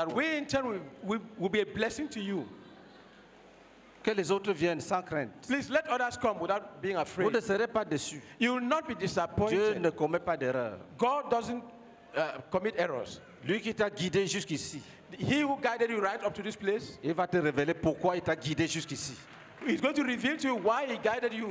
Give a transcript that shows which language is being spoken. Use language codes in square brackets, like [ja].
[en] And that we in turn will be a blessing to you. [fr] Que les autres viennent sans crainte. [en] Please let others come without being afraid. [fr] Vous ne serez pas déçus. [en] You will not be disappointed. [fr] Dieu ne commet pas d'erreur. [en] God doesn't commit errors. [fr] Lui qui t'a guidé jusqu'ici. [en] He who guided you right up to this place. [fr] Il va te révéler pourquoi il t'a guidé jusqu'ici. [en] He's going to reveal to you why he guided you.